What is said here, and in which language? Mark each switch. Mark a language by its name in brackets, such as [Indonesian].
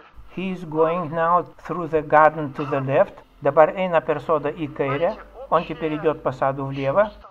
[English] He is going now through the garden to the left. [Lithuanian] Dabar eina per sodą į kairę. [Russian] On теперь идет по саду влево.